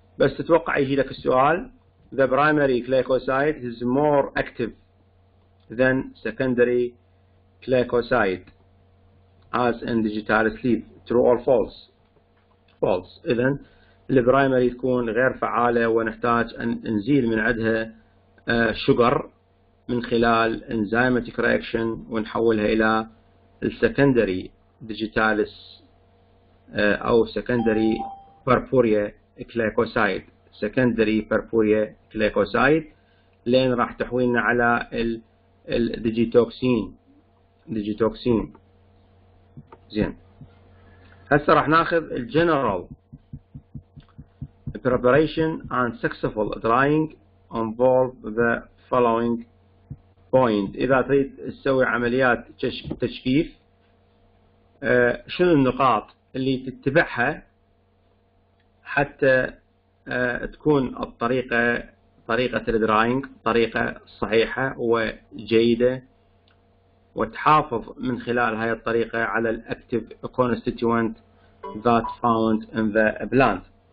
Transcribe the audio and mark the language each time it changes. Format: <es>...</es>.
<ar>بس تتوقع يجي لك السؤال</ar> <en>the primary glycoside is more active than secondary glycoside as in digitalis leaf, true or false? False.</en> <ar>إذا</ar> <en>the primary</en> <ar>تكون غير فعالة ونحتاج أن نزيل من عدها sugar من خلال</ar> <en>enzymatic reaction</en> <ar>ونحولها إلى</ar> <en>secondary digitalis</en> <ar>أو</ar> <en>secondary purpurea glycoside. secondary purpurea glycoside</en> <ar>لين راح تحويلنا على الديجيتوكسين. زين هسه راح ناخذ</ar> <en>الجنرال preparation and successful drying involve the following point.</en> <ar>اذا تريد تسوي عمليات تجفيف شنو النقاط اللي تتبعها حتى تكون الطريقة طريقة الدراينج طريقة صحيحة وجيدة وتحافظ من خلال هاي الطريقة على</ar> <en>الأكتيف constituent that found in the plant.</en>